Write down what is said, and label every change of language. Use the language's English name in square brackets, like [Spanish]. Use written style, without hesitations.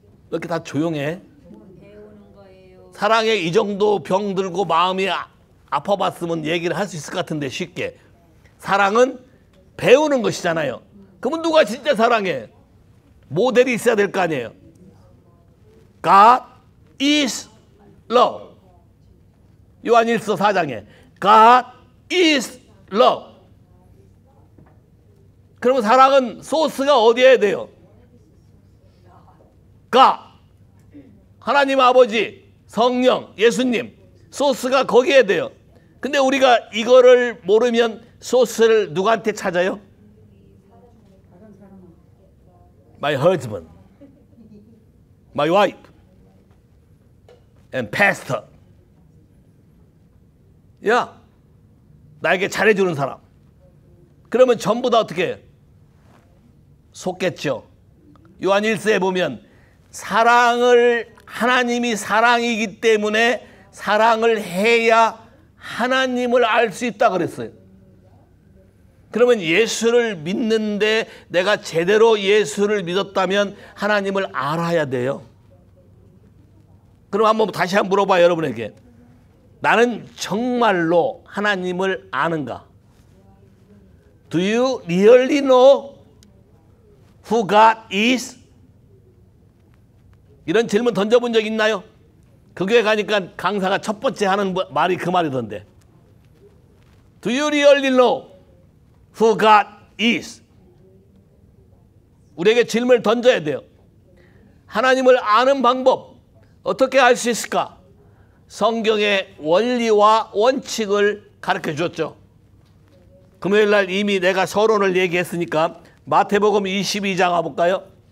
[Korean] 왜 이렇게 다 조용해? 사랑에 이 정도 병 들고 마음이 아파봤으면 얘기를 할 수 있을 것 같은데 쉽게. 사랑은 배우는 것이잖아요. 그러면 누가 진짜 사랑해? 모델이 있어야 될 거 아니에요. [English] God is love. [Korean] 요한일서 4장에 [English] God is love. [Korean] 그러면 사랑은 소스가 어디에 돼요? [English] God. [Korean] 하나님 아버지, 성령, 예수님. 소스가 거기에 돼요. 근데 우리가 이거를 모르면 소스를 누구한테 찾아요? [English] My husband, my wife, and pastor. [Korean] 야, 나에게 잘해주는 사람. 그러면 전부 다 어떻게 해? 속겠죠. 요한일서에 보면 사랑을 하나님이 사랑이기 때문에 사랑을 해야 하나님을 알 수 있다 그랬어요. 그러면 예수를 믿는데 내가 제대로 예수를 믿었다면 하나님을 알아야 돼요. 그럼 한번 다시 한번 물어봐요, 여러분에게. 나는 정말로 하나님을 아는가? [English] Do you really know who God is? [Korean] 이런 질문 던져본 적 있나요? 그 교회 가니까 강사가 첫 번째 하는 말이 그 말이던데. [English] Do you really know who God is? [Korean] 우리에게 질문을 던져야 돼요. 하나님을 아는 방법 어떻게 알 수 있을까? 성경의 원리와 원칙을 가르쳐 주었죠. 금요일 날 이미 내가 서론을 얘기했으니까 마태복음 22장 가볼까요?